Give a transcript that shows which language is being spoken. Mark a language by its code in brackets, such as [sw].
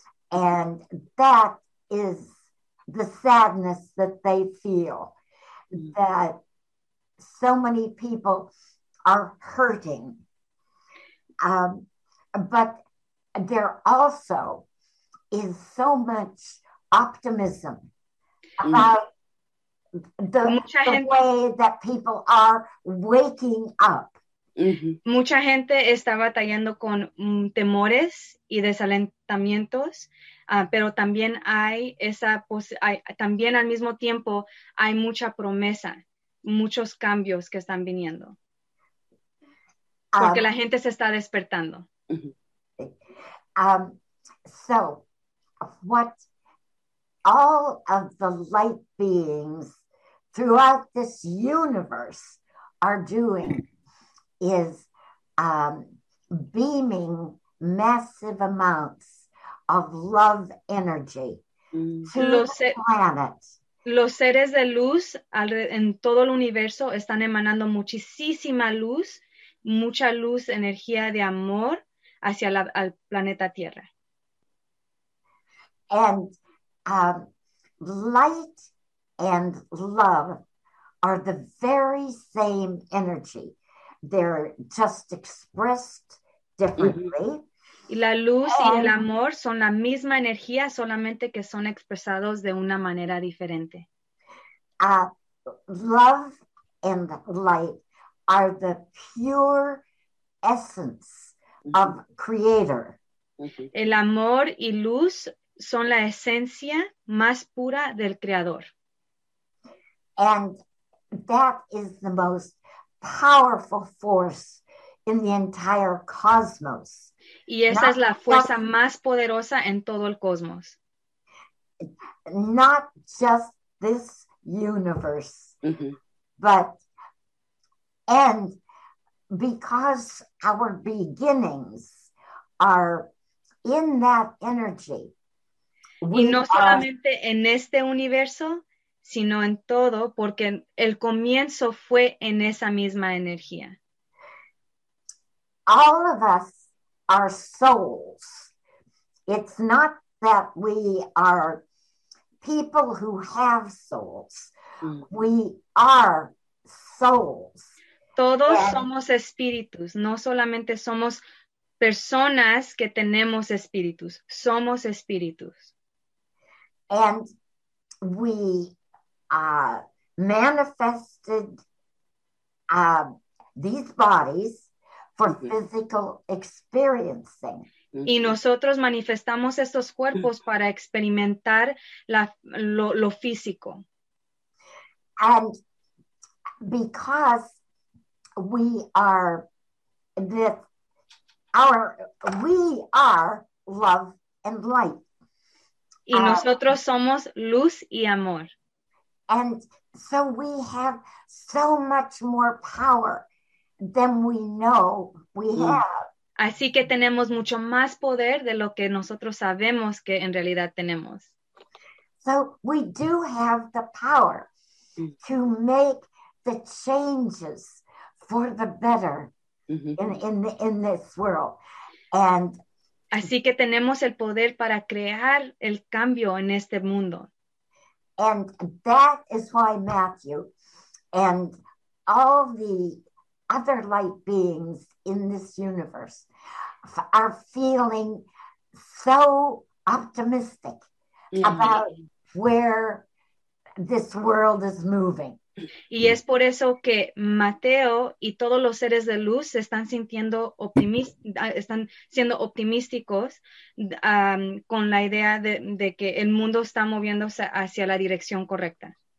[en] And that is the sadness that they feel, that so many people are hurting. But there also is so much optimism about the way that people are waking up. Mm-hmm. [es] Mucha gente está batallando con temores y desalentamientos, pero también hay esa también al mismo tiempo hay mucha promesa, muchos cambios que están viniendo. Porque la gente se está despertando. [en] So what all of the light beings throughout this universe are doing is beaming massive amounts of love energy to the planet. [es] Los seres de luz en todo el universo están emanando muchísima luz, mucha luz, energía de amor hacia al planeta Tierra. [en] And light and love are the very same energy. They're just expressed differently. [es] Y la luz y el amor son la misma energía, solamente que son expresados de una manera diferente. [en] Love and light are the pure essence of Creator. [es] El amor y luz son la esencia más pura del Creador. [en] And that is the most powerful force in the entire cosmos. [es] Y esa es la fuerza más poderosa en todo el cosmos. [en] Not just this universe, but and because our beginnings are in that energy. [es] Y no solamente en este universo, sino en todo, porque el comienzo fue en esa misma energía. [en] All of us are souls. It's not that we are people who have souls. We are souls. [es] Todos somos espíritus. No solamente somos personas que tenemos espíritus. Somos espíritus. [en] And we manifested these bodies for physical experiencing. [es] Y nosotros manifestamos estos cuerpos para experimentar lo físico. [en] And because we are we are love and light. [es] Y nosotros somos luz y amor. [en] And so we have so much more power than we know we have. [es] Así que tenemos mucho más poder de lo que nosotros sabemos que en realidad tenemos. [en] So we do have the power to make the changes for the better in this world. And [es] así que tenemos el poder para crear el cambio en este mundo. [en] And that is why Matthew and all the other light beings in this universe are feeling so optimistic about where this world is moving. [es] Y es por eso que Mateo y todos los seres de luz están sintiendo están siendo optimísticos con la idea de que el mundo está moviéndose hacia la dirección correcta.